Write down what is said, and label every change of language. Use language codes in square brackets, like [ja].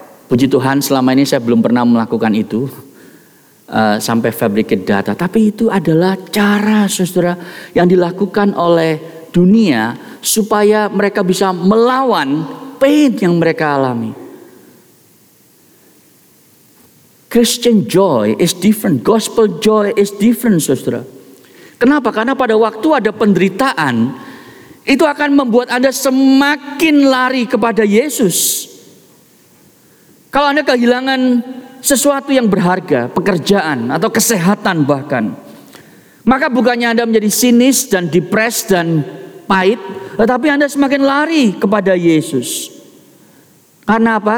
[id] Puji Tuhan, selama ini saya belum pernah melakukan itu sampai [en] fabricate data. [id] Tapi itu adalah cara, saudara, yang dilakukan oleh dunia supaya mereka bisa melawan pain yang mereka alami. [en] Christian joy is different. Gospel joy is different, saudara. [id] Kenapa? Karena pada waktu ada penderitaan, itu akan membuat Anda semakin lari kepada Yesus. Kalau Anda kehilangan sesuatu yang berharga, pekerjaan atau kesehatan bahkan, maka bukannya Anda menjadi sinis dan depres dan pahit, tetapi Anda semakin lari kepada Yesus. Karena apa?